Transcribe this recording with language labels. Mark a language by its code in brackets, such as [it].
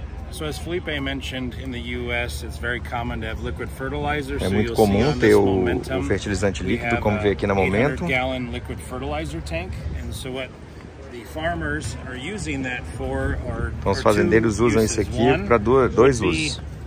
[en] So as Felipe mentioned, in the US it's very common to have liquid fertilizer. [pt] É muito comum ter o fertilizante líquido, como vê aqui no momento. [en] We have a 800-gallon liquid fertilizer tank, and so what the farmers are using that for are two uses. [pt] Os fazendeiros usam isso aqui para dois usos.